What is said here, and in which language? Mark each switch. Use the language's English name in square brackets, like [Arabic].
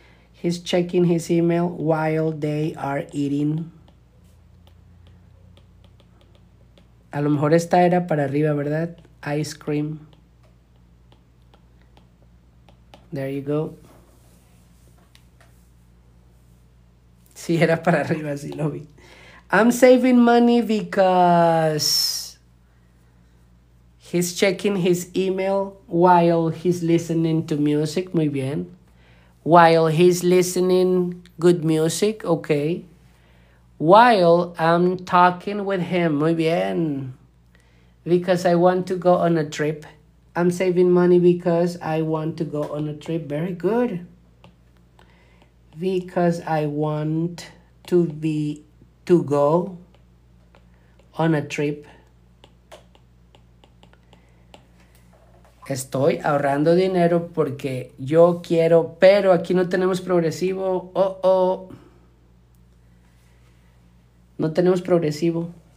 [English] He's checking his email while they are eating. [Spanish] A lo mejor esta era para arriba, ¿verdad? [English] Ice cream. There you go. [Spanish] Sí, era para arriba, sí lo vi. [English] I'm saving money because he's checking his email while he's listening to music. [Spanish] Muy bien. [English] While he's listening good music, okay. While I'm talking with him, [Spanish] muy bien. [English] Because I want to go on a trip. I'm saving money because I want to go on a trip. Very good. Because I want to go on a trip. [Spanish] Estoy ahorrando dinero porque yo quiero, pero aquí no tenemos progresivo. No tenemos progresivo.